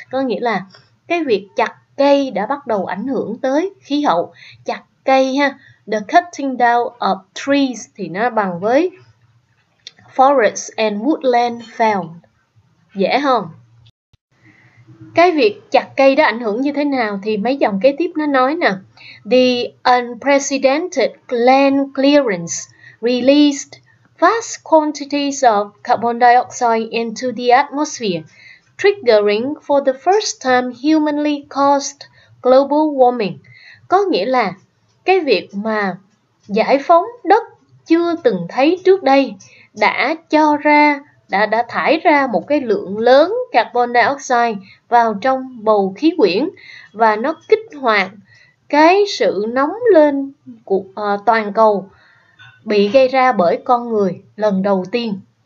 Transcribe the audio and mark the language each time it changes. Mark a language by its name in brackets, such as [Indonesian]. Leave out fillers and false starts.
[Vietnamese] Có nghĩa là cái việc chặt cây đã bắt đầu ảnh hưởng tới khí hậu. Chặt cây ha, [English] the cutting down of trees [Vietnamese] thì nó bằng với [English] forests and woodland fell. [Vietnamese] Dễ không? Cái việc chặt cây đó ảnh hưởng như thế nào thì mấy dòng kế tiếp nó nói nè. [English] The unprecedented land clearance released vast quantities of carbon dioxide into the atmosphere, triggering for the first time humanly caused global warming. [Vietnamese] Có nghĩa là cái việc mà giải phóng đất chưa từng thấy trước đây đã cho ra, đã thải ra một cái lượng lớn carbon dioxide vào trong bầu khí quyển, và nó kích hoạt cái sự nóng lên của toàn cầu bị gây ra bởi con người lần đầu tiên.